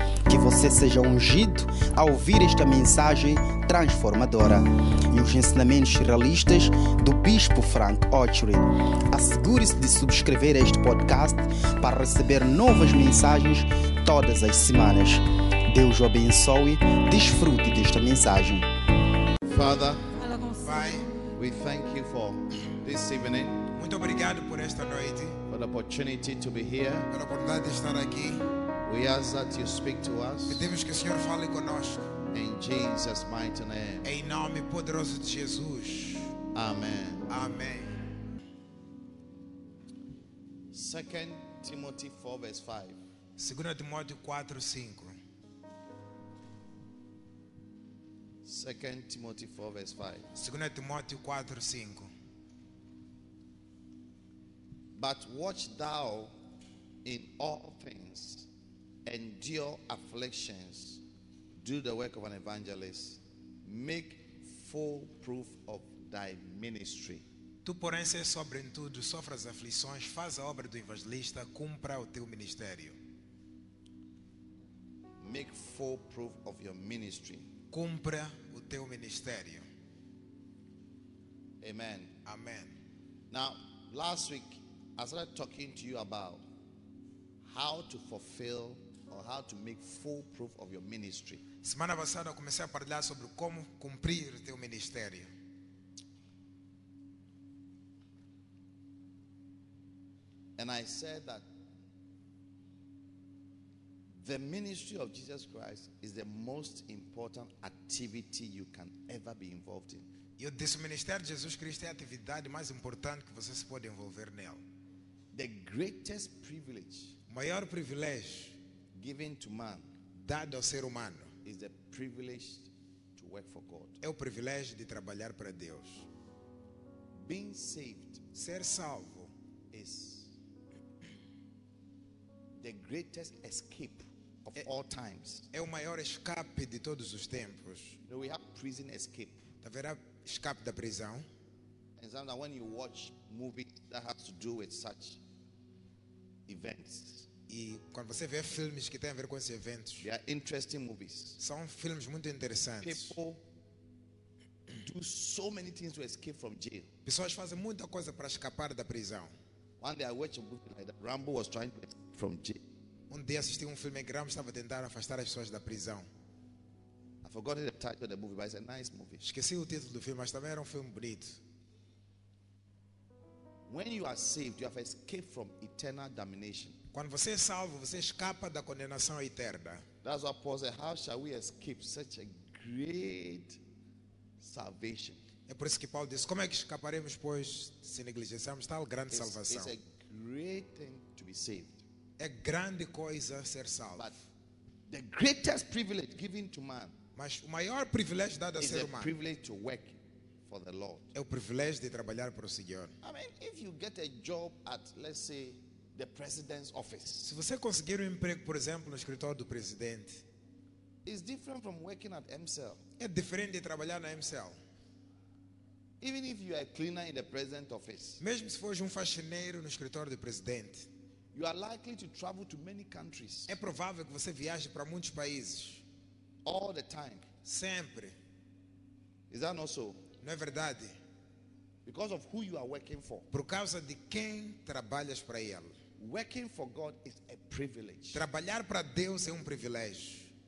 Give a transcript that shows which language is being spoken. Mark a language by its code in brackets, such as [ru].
[pt] Que você seja ungido a ouvir esta mensagem transformadora e os ensinamentos realistas do Bispo Frank Ochoa. Assegure-se de subscrever este podcast para receber novas mensagens todas as semanas. Deus o abençoe. Desfrute desta mensagem. [en] Father, [pt] Pai, [en] we thank you for this evening. [pt] Muito obrigado por esta noite. [en] For the opportunity to be here. [pt] Pela oportunidade de estar aqui. [en] We ask that you speak to us. [pt] Pedimos que o Senhor fale conosco. [en] In Jesus' mighty name. [pt] Em nome poderoso de Jesus. [en] Amen. [pt] Amém. [en] 2 Timothy 4, verse 5. [pt] 2 Timóteo 4, 5. [en] 2 Timothy 4, verse 5. [pt] 2 Timóteo 4, 5. [en] But watch thou in all things, endure afflictions, do the work of an evangelist, make full proof of thy ministry. [pt] Tu, porém, sê sobre em tudo, sofre as aflições, faz a obra do evangelista, cumpra o teu ministério. [en] Make full proof of your ministry. [pt] Cumpra o teu ministério. [en] Amen. [pt] Amen. [en] Now, last week, I started talking to you about how to fulfill or how to make full proof of your ministry. [pt] Semana passada eu comecei a falar sobre como cumprir teu ministério. [en] And I said that the ministry of Jesus Christ is the most important activity you can ever be involved in. [pt] Eu disse, o ministério de Jesus Cristo é a atividade mais importante que você se pode envolver nela. [en] The greatest privilege, [pt] maior privilégio, [en] given to man, [pt] dado ao ser humano, [en] is the privilege to work for God. [pt] É o privilégio de trabalhar para Deus. [en] Being saved, [pt] ser salvo, [en] is the greatest escape of all times. [pt] É o maior escape de todos os tempos. [en] Do we have prison escape? [pt] Haverá escape da prisão? [en] And sometimes when you watch movies that have to do with such events, [pt] e quando você vê filmes que têm a ver com esses eventos, [en] they are interesting movies. [pt] São filmes muito interessantes. [en] People do so many things to escape from jail. [pt] Pessoas fazem muita coisa para escapar da prisão. [en] One day I watched a movie like that. Rambo was trying to get from jail. [pt] Um dia assisti um filme em que Rambo estava tentando afastar as pessoas da prisão. [en] I forgot the title of the movie, but it's a nice movie. [pt] Esqueci o título do filme, mas também era um filme bonito. [en] When you are saved, you have escaped from eternal damnation. [pt] Quando você é salvo, você escapa da condenação eterna. [en] That's what Paul said. How shall we escape such a great salvation? [pt] É por isso que Paulo disse, como é que escaparemos, pois, se negligenciarmos tal grande salvação? [en] It's a great thing to be saved. [pt] É grande coisa ser salvo. [en] But the greatest privilege given to man, [pt] mas o maior privilégio dado a ser humano, [en] is the privilege to work for the Lord. [pt] É o privilégio de trabalhar para o Senhor. [en] I mean, if you get a job at, let's say, the president's office. [pt] Se você conseguir emprego, por exemplo, no escritório do presidente, [en] it's different from working at MCL. [pt] É diferente de trabalhar na MCL. [en] Even if you are a cleaner in the president's office. [pt] Mesmo se for faxineiro no escritório do presidente, [en] you are likely to travel to many countries. [pt] É provável que você viaje para muitos países. [en] All the time. [pt] Sempre. [en] Is that not so? [pt] Não é verdade? [en] Because of who you are working for. [pt] Por causa de quem trabalhas para ele. [en] Working for God is a privilege. [pt] Trabalhar para Deus é um privilégio.